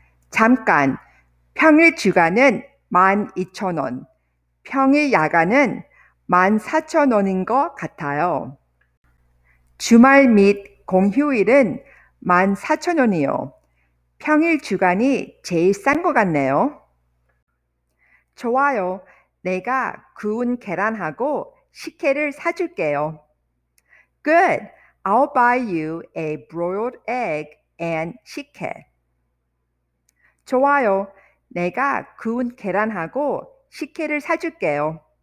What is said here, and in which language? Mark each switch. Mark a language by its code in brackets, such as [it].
[ko] 잠깐, 평일 주간은 12,000원, 평일 야간은 14,000원인 것 같아요. 주말 및 공휴일은 14,000원이요. 평일 주간이 제일 싼 것 같네요. 좋아요. 내가 구운 계란하고 식혜를 사줄게요. [en] Good. I'll buy you a broiled egg and 식혜. [ko] 좋아요. 내가 구운 계란하고 식혜를 사줄게요.